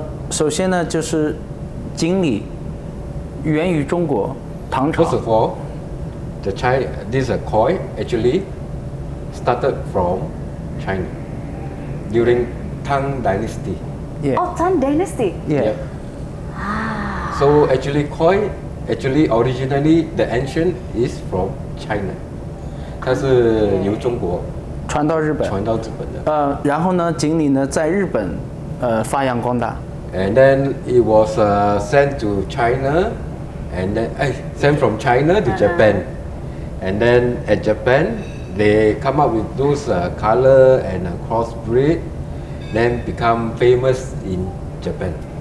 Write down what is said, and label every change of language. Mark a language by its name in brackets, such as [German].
[Chinese] 首先呢，就是锦鲤源于中国唐朝。 [English] First of all, the chai, this koi actually started from China during Tang Dynasty. Yeah. Oh, Tang Dynasty. Yeah. Yeah. So actually koi actually originally the ancient is from China. [Chinese] 它是由中国传到日本的，然后呢，锦鲤呢在日本发扬光大。 [English] And then it was sent to China, and then sent from China to Japan, and then at Japan they come up with those color and crossbreed, then become famous in Japan.